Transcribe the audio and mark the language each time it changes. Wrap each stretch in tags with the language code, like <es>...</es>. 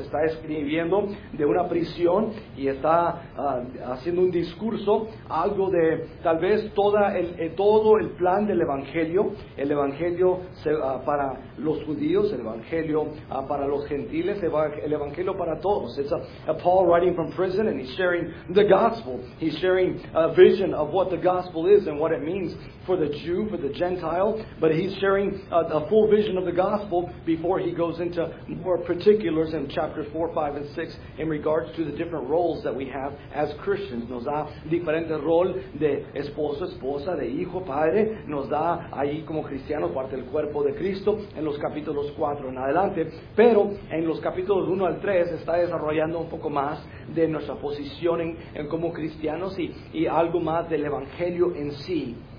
<es>Está escribiendo de una prisión y está haciendo un discurso, algo de tal vez todo el plan del Evangelio. El Evangelio para los judíos, el Evangelio para los gentiles, el Evangelio para todos.</es> <en>It's Paul writing from prison and he's sharing the gospel. He's sharing a vision of what the gospel is and what it means for the Jew, for the Gentile. But he's sharing a full vision of the gospel before he goes into more particulars in chapters 4, 5, and 6 in regards to the different roles that we have as Christians.</en> <es>Nos da diferente rol de esposo, esposa, de hijo, padre. Nos da ahí como cristiano parte del cuerpo de Cristo en los capítulos 4 en adelante. Pero en los capítulos 1 al 3 está desarrollando un poco más de nuestra posición en como cristianos y algo más del Evangelio en sí.</es>